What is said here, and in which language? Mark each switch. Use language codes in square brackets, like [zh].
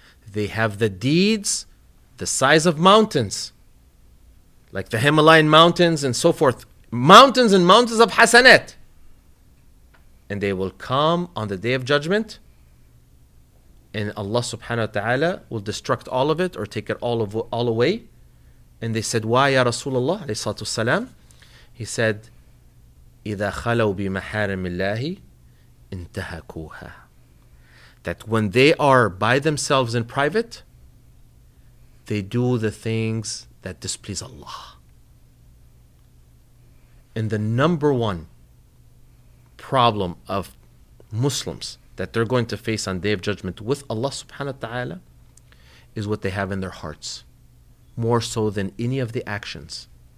[en] They have the deeds the size of mountains, like the Himalayan mountains and so forth. Mountains and mountains of hasanat. And they will come on the day of judgment, and Allah subhanahu wa ta'ala will destruct all of it or take it all away. And they said, why, Ya Rasulullah alayhi salatu wasalam? [ar] He said, إِذَا خَلَوْا بِمَحَارِمِ اللَّهِ انْتَهَكُوهَا. [en] That when they are by themselves in private, they do the things that displease Allah. And the number one problem of Muslims that they're going to face on Day of Judgment with Allah subhanahu wa ta'ala is what they have in their hearts, more so than any of the actions.